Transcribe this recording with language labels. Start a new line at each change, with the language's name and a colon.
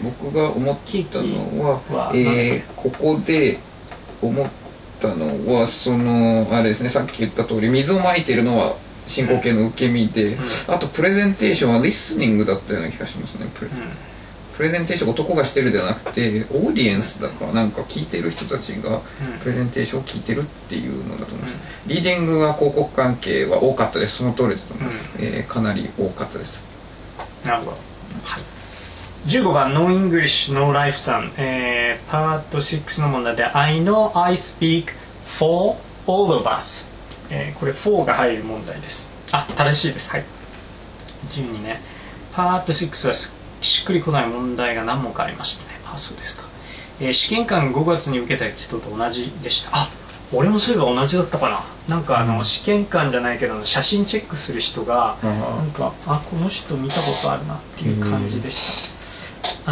Japanese: 僕が思ったのは、ここで思ったのはそのあれですね、さっき言った通り水をまいているのは進行形の受け身で、あとプレゼンテーションはリスニングだったような気がしますね。プレゼンテーション男がしてるじゃなくてオーディエンスだから、なんか聞いてる人たちがプレゼンテーションを聞いてるっていうのだと思います。リーディングは広告関係は多かったです。その通りだと思います。かなり多かったです。なるほど、はい。 15番、No English, No Life さん、パート6の問題で
English: I know I speak for all of us、
Japanese: これ4が入る問題です。あ、正しいです、はい。 12ね、パート6はしっくりこない問題が何問かありましたね。あ、そうですか。試験官5月に受けた人と同じでした。あ、俺もそういえば同じだったかな。なんかあの、試験官じゃないけど写真チェックする人がなんか、あ、この人見たことあるなっていう感じでした。